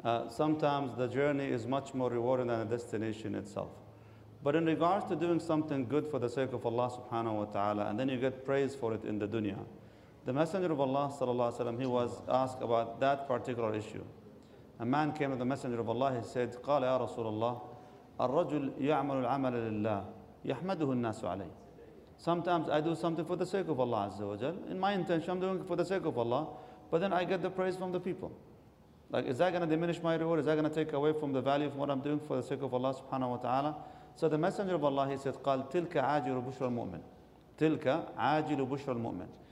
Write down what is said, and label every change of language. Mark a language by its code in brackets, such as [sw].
[en] Sometimes the journey is much more rewarding than the destination itself. But in regards to doing something good for the sake of Allah subhanahu wa ta'ala, and then you get praise for it in the dunya, the Messenger of Allah sallallahu alaihi wasallam, he was asked about that particular issue. A man came to the Messenger of Allah, he said, [ar] قَالَ يَا رَسُولَ اللَّهِ الرجل يعمل العمل لله يحمده الناس عليه. [en] Sometimes I do something for the sake of Allah Azza wa Jal. In my intention, I'm doing it for the sake of Allah. But then I get the praise from the people. Like, is that going to diminish my reward? Is that going to take away from the value of what I'm doing for the sake of Allah subhanahu wa ta'ala? So the Messenger of Allah, he said, [ar] قال تلك عاجل بشر المؤمن. تلك عاجل بشر المؤمن.